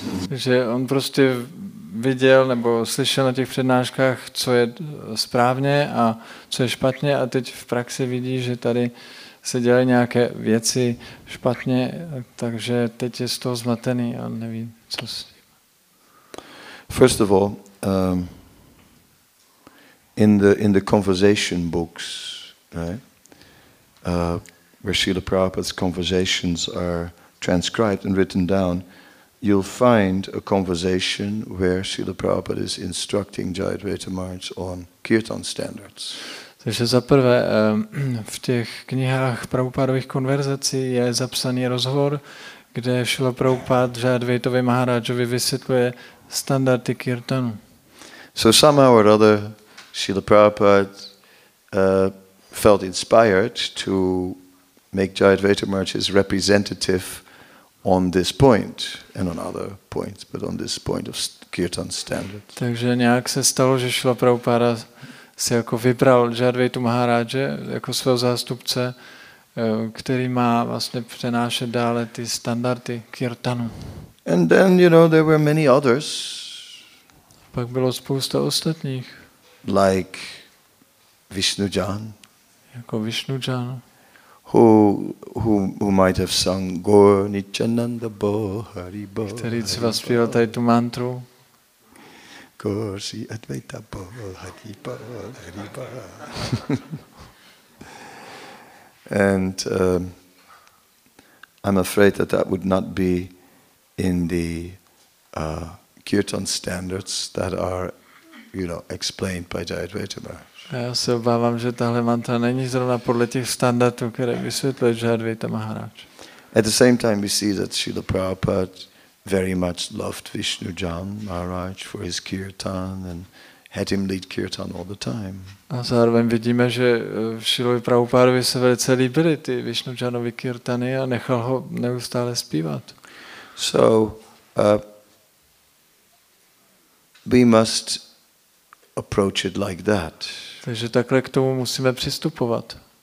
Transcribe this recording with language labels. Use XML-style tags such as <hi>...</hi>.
<cs>Že on prostě viděl nebo slyšel na těch přednáškách, co je správně a co je špatně, a teď v praxi vidí, že tady se dělají nějaké věci špatně, takže teď je z toho zmatený a neví, co s tím.</cs> <en>First of all, in the conversation books, where Srila Prabhupada's conversations are transcribed and written down, you'll find a conversation where Srila Prabhupada is instructing Jayadvaita Maharaj on kirtan standards.</en> <cs>Takže za prvé, v těch knihách Prabhupádových konverzací je zapsaný rozhovor, kde Šila Prabhupád Jayadvaitovi Maharajovi vysvětluje standardy kirtanu.</cs> <en>So somehow or other, Srila Prabhupád felt inspired to make Jayadvaita Maharaj his representative on this point and on other points, but on this point of kirtan standards.</en> <cs>Takže nějak se stalo, že Šila Prabhupáda si jako vybral Jayadvaitu Maharaje jako svého zástupce, který má vlastně přenášet dále ty standardy kirtanu.</cs> <en>And then, you know, there were many others.</en> <cs>Pak bylo spousta ostatních.</cs> <en>Like Vishnujan.</en> <cs>Jako Vishnujan.</cs> <en>Who might have sung Gaur Nityananda Bo Hari Bo.</en> <cs>Který třeba zpíval tady tu mantru.</cs> <en>Kursi Advaita Bol Hari Bol Hari Bol. And I'm afraid that would not be in the kirtan standards that are you know, explained by the Advaita Maharaj.</en> <cs>Já se obávám, že tahle mantra není zrovna podle těch standardů, které vysvětluje Advaita Maharaj.</cs> <en>At the same time we see that Srila Prabhupada very much loved Vishnujam Maharaj for his kirtan and had him lead kirtan all the time.</en> <cs>A zároveň vidíme, že Šrilovi Prabhupádovi se velice líbily ty Vishnujanovi kirtany a nechal ho neustále zpívat.</cs> <en>So we must approach it like that.</en> <cs>Takže takhle k tomu musíme přistupovat.</cs>